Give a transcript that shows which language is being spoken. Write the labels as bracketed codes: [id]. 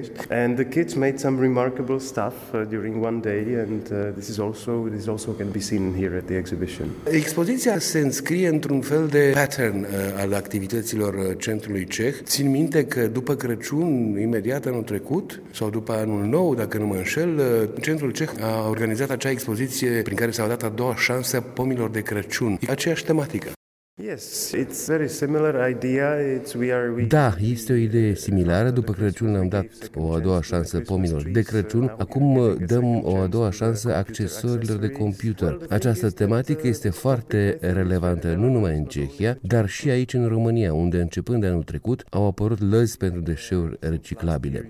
[en] And the kids made some remarkable stuff during one day and this also can be seen here at the exhibition. [ro] Expoziția se înscrie într-un fel de pattern al activităților centrului Ceh. Țin minte că după Crăciun, imediat anul trecut, sau după anul nou, dacă nu mă înșel, centrul Ceh a organizat acea expoziție prin care s-au dat a doua șansă pomilor de Crăciun. Aceeași tematică. [en] Yes, it's very similar idea. [ro] Da, este o idee similară. După Crăciun le-am dat o a doua șansă pomilor de Crăciun. Acum dăm o a doua șansă accesoriilor de computer. Această tematică este foarte relevantă nu numai în Cehia, dar și aici în România, unde începând de anul trecut au apărut lăzi pentru deșeuri reciclabile.